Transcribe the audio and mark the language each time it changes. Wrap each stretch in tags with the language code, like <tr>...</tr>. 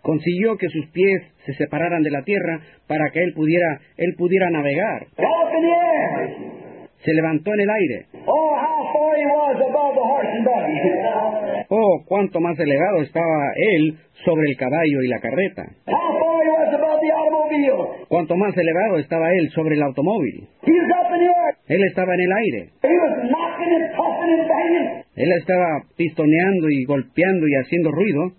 <es>Consiguió que sus pies se separaran de la tierra para que él pudiera navegar.</es> <en>Up in the air.</en> <es>Se levantó en el aire.</es> <en>Oh, he was above the horse and buggy.</en> <es>Oh, cuánto más elevado estaba él sobre el caballo y la carreta.</es> <en>How far he was above the automobile.</en> <es>Cuánto más elevado estaba él sobre el automóvil.</es> <en>He was up in the air.</en> <es>Él estaba en el aire.</es> <en>He was knocking and puffing and banging.</en> <es>Él estaba pistoneando y golpeando y haciendo ruido.</es>